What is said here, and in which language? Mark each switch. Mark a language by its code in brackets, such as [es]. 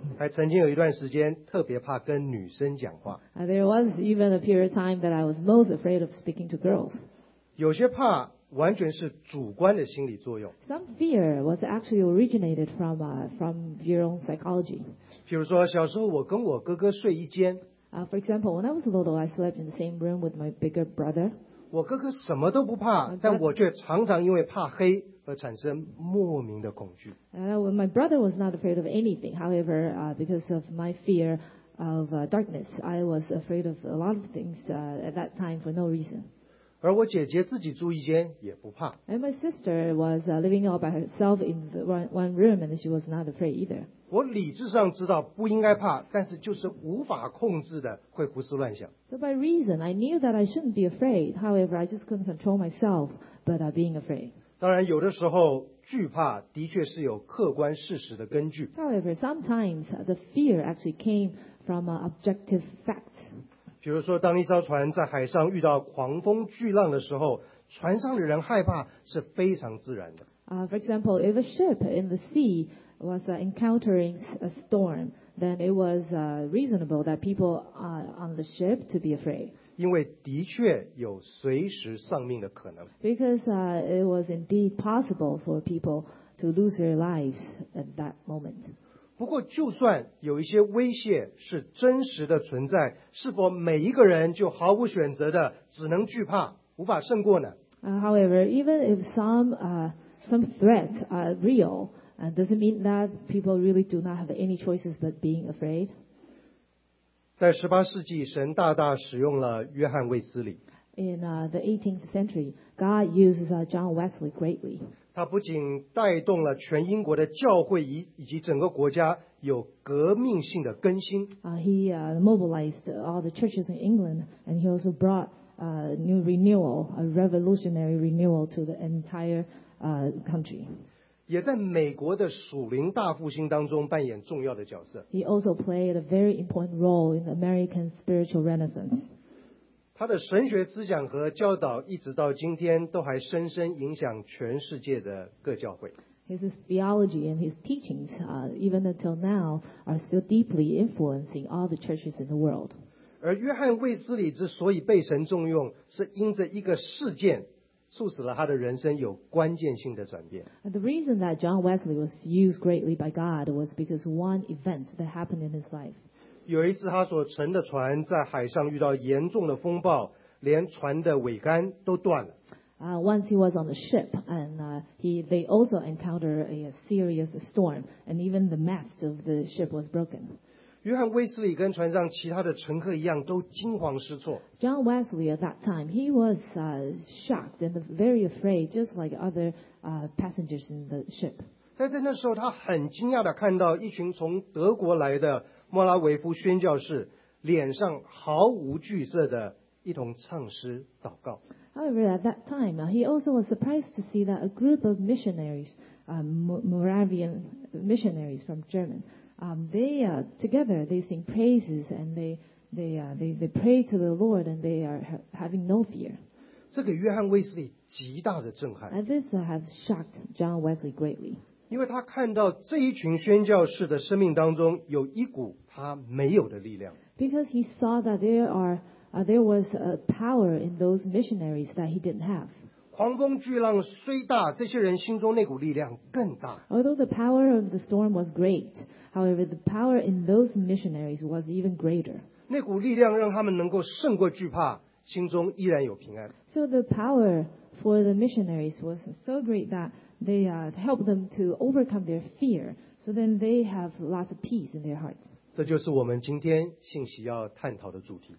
[zh] 还曾经有一段时间特别怕跟女生讲话。 [en] There was even a period of time that I was most afraid of speaking to girls. [zh] 有些怕完全是主观的心理作用。 [en] Some fear was actually originated from your own psychology. [zh] 比如说小时候我跟我哥哥睡一间。 [en] For example, when I was little, I slept in the same room with my bigger brother. [zh] 我哥哥什么都不怕，但我却常常因为怕黑而产生莫名的恐惧。 [en] My brother was not afraid of anything. However, because of my fear of darkness, I was afraid of a lot of things at that time for no reason. [zh] 而我姐姐自己住一间也不怕。 [en] And my sister was living all by herself in one room, and she was not afraid either. [zh] 我理智上知道不应该怕，但是就是无法控制的会胡思乱想。 [en] So by reason, I knew that I shouldn't be afraid. However, I just couldn't control myself but being afraid. [zh] 当然有的时候惧怕的确是有客观事实的根据。 [en] However, sometimes the fear actually came from objective facts. [zh] 比如说当一艘船在海上遇到狂风巨浪的时候，船上的人害怕是非常自然的。 [en] For example, if a ship in the sea was encountering a storm, then it was reasonable that people on the ship to be afraid. [zh] 因为的确有随时丧命的可能。 [en] Because it was indeed possible for people to lose their lives at that moment. [zh] 不过就算有一些威胁是真实的存在，是否每一个人就毫无选择的只能惧怕无法胜过呢？ [en] However, even if some threats are real, does it mean that people really do not have any choices but being afraid? [zh] 在十八世纪，神大大使用了约翰·卫斯理。 [en] In the 18th century, God uses John Wesley greatly. [zh] 他不仅带动了全英国的教会以及整个国家有革命性的更新。 [en] He mobilized all the churches in England, and he also brought new renewal, a revolutionary renewal to the entire country. [zh] 也在美国的属灵大复兴当中扮演重要的角色。 [en] He also played a very important role in the American spiritual renaissance. [zh] 他的神学思想和教导一直到今天都还深深影响全世界的各教会。 [en] His theology and his teachings, even until now, are still deeply influencing all the churches in the world. [zh] 而约翰·卫斯理之所以被神重用，是因着一个事件促使了他的人生有关键性的转变。 [en] The reason that John Wesley was used greatly by God was because one event that happened in his life. [zh] 有一次他所乘的船在海上遇到严重的风暴，连船的桅杆都断了。 [en] Once he was on the ship, and they also encountered a serious storm, and even the mast of the ship was broken. [zh] 约翰·卫斯理跟船上其他的乘客一样都惊慌失措。 [en] John Wesley at that time, he was shocked and very afraid, just like other passengers in the ship. [zh] 但在那时候他很惊讶地看到一群从德国来的莫拉维夫宣教士脸上毫无惧色地一同唱诗祷告。 [en] However, at that time, he also was surprised to see that a group of missionaries, Moravian missionaries from Germany,together they sing praises and they pray to the Lord and they are having no fear. [zh] 这给约翰·卫斯理极大的震撼。 [en] And this has shocked John Wesley greatly. [zh] 因为他看到这一群宣教士的生命当中有一股他没有的力量。 [en] Because he saw that there was a power in those missionaries that he didn't have. [zh] 狂风巨浪虽大，这些人心中那股力量更大。 [en] Although the power of the storm was great, however, the power in those missionaries was even greater. [zh] 那股力量让他们能够胜过惧怕，心中依然有平安。 [en] So the power for the missionaries was so great that they helped them to overcome their fear. So then they have lots of peace in their hearts. [zh] 这就是我们今天信息要探讨的主题。